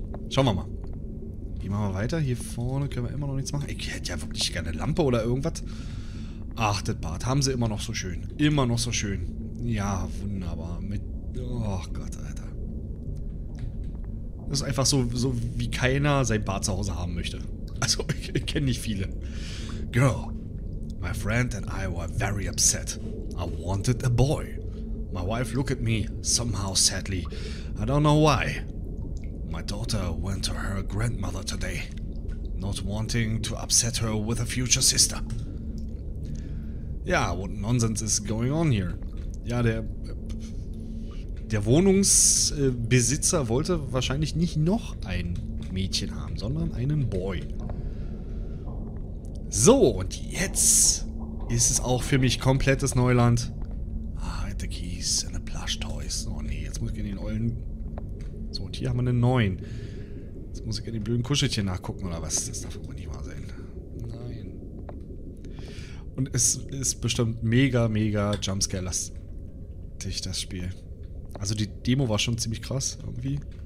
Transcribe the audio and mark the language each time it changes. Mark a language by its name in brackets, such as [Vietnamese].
[German] Schauen wir mal. Gehen wir mal weiter. Hier vorne können wir immer noch nichts machen. Ich hätte ja wirklich gerne eine Lampe oder irgendwas. Ach, das Bad haben sie immer noch so schön. Immer noch so schön. Ja, wunderbar. Mit. Oh Gott, Alter. Das ist einfach so, so wie keiner sein Bad zu Hause haben möchte. Also, ich kenne nicht viele. [English] Girl, my friend and I were very upset. I wanted a boy. My wife looked at me, somehow sadly. I don't know why. My daughter went to her grandmother today, not wanting to upset her with a future sister. Ja, yeah, what nonsense is going on here? [German] Ja, der Wohnungsbesitzer wollte wahrscheinlich nicht noch ein Mädchen haben, sondern einen Boy. So, und jetzt ist es auch für mich komplettes Neuland. [English] Ah, I had the keys and the plush toys. [German] Oh nee, jetzt muss ich in den ollen. So, und hier haben wir einen neuen. Jetzt muss ich in den blöden Kuscheltier nachgucken oder was? Das darf man nicht mal sehen. Nein. Und es ist bestimmt mega, mega Jumpscare-lastig. Das Spiel. Also die Demo war schon ziemlich krass, irgendwie.